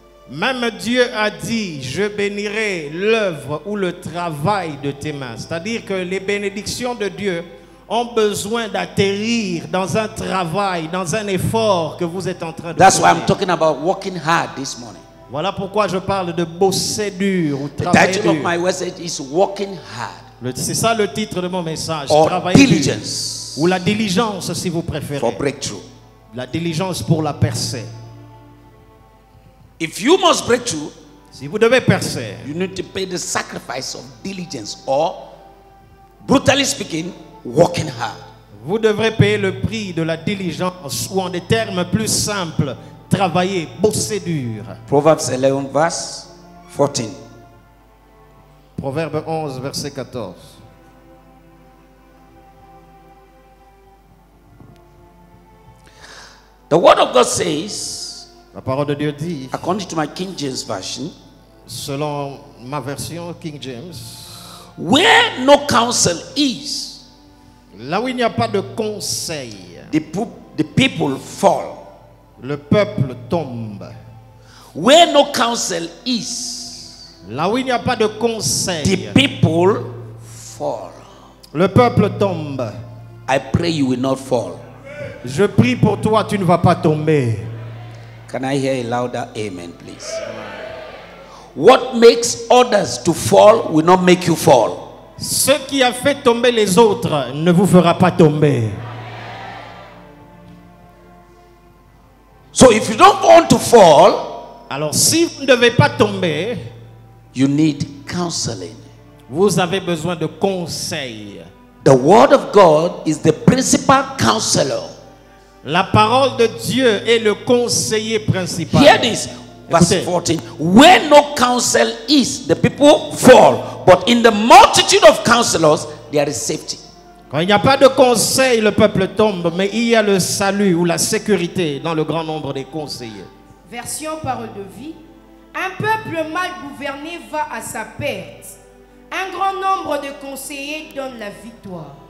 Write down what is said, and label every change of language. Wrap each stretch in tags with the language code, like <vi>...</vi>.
<fr>Même Dieu a dit, je bénirai l'œuvre ou le travail de tes mains. C'est-à-dire que les bénédictions de Dieu ont besoin d'atterrir dans un travail, dans un effort que vous êtes en train de faire.</fr> <en>That's why I'm talking about working hard this morning.</en> <fr>Voilà pourquoi je parle de bosser dur ou travailler dur.</fr> <en>The title of my message is working hard.</en> <fr>C'est ça le titre de mon message. Or travailler diligence. Dur. Ou la diligence si vous préférez.</fr> <en>For breakthrough.</en> <fr>La diligence pour la percée.</fr> <en>If you must break through,</en> <fr>si vous devez percer,</fr> <en>you need to pay the sacrifice of diligence or, brutally speaking, working hard.</en> <fr>Vous devrez payer le prix de la diligence ou en des termes plus simples, travailler, bosser dur.</fr> <en>Proverbs 11, verse 14.</en> <fr>Proverbe 11, verset 14.</fr> <en>The word of God says,</en> <fr>la parole de Dieu dit,</fr> <en>according to my King James version,</en> <fr>selon ma version King James,</fr> <en>where no counsel is,</en> <fr>là où il n'y a pas de conseil,</fr> <en>the people fall,</en> <fr>le peuple tombe.</fr> <en>Where no counsel is,</en> <fr>là où il n'y a pas de conseil,</fr> <en>the people fall,</en> <fr>le peuple tombe.</fr> <en>I pray you will not fall.</en> <fr>Je prie pour toi, tu ne vas pas tomber.</fr> <en>Can I hear a louder amen, please? What makes others to fall will not make you fall.</en> <fr>Ce qui a fait tomber les autres ne vous fera pas tomber.</fr> <en>So if you don't want to fall,</en> <fr>alors si vous ne devez pas tomber,</fr> <en>you need counseling.</en> <fr>Vous avez besoin de conseil.</fr> <en>The word of God is the principal counselor.</en> <fr>La parole de Dieu est le conseiller principal.</fr> <en>Hear this, verse 14. Where no counsel is, the people fall. But in the multitude of counselors, there is safety.</en> <fr>Quand il n'y a pas de conseil, le peuple tombe. Mais il y a le salut ou la sécurité dans le grand nombre des conseillers. Version parole de vie. Un peuple mal gouverné va à sa perte. Un grand nombre de conseillers donne la victoire.</fr>